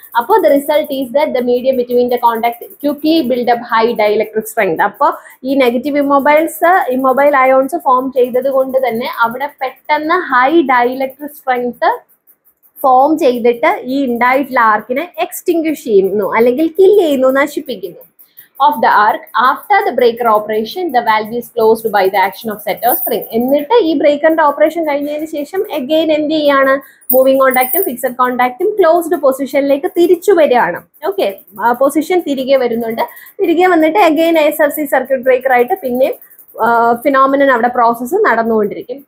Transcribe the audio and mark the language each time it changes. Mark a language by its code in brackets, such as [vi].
[en] അപ്പോൾ the result is that the medium between the contact quickly build up high dielectric strength. [ml] അപ്പോൾ ഈ negative immobile ions form ചെയ്തത് കൊണ്ട് തന്നെ അവിടെ പെട്ടെന്ന് ഹൈ ഡയലക്ട്രിക് സ്ട്രെങ്ത് ഫോം ചെയ്തിട്ട് ഈ ഉണ്ടായിട്ടുള്ള ആർക്കിനെ എക്സ്റ്റിങ്ക്വിഷ് ചെയ്യുന്നു അല്ലെങ്കിൽ കിൽ ചെയ്യുന്നു, നശിപ്പിക്കുന്നു. [en] Of the arc, after the breaker operation, the valve is closed by the action of set of spring. [ml] എന്നിട്ട് ഈ ബ്രേക്കറിന്റെ ഓപ്പറേഷൻ കഴിഞ്ഞതിന് ശേഷം അഗെയിൻ എന്ത് ചെയ്യാണ്, മൂവിംഗ് കോണ്ടാക്ടും ഫിക്സഡ് കോണ്ടാക്ടും ക്ലോസ്ഡ് പൊസിഷനിലേക്ക് തിരിച്ചു വരികയാണ്. ഓക്കെ, പൊസിഷൻ തിരികെ വരുന്നുണ്ട്. തിരികെ വന്നിട്ട് അഗെയിൻ SF6 സർക്യൂട്ട് ബ്രേക്കർ ആയിട്ട് പിന്നെയും ഫിനോമിനൻ അവിടെ പ്രോസസ്സ് നടന്നുകൊണ്ടിരിക്കും.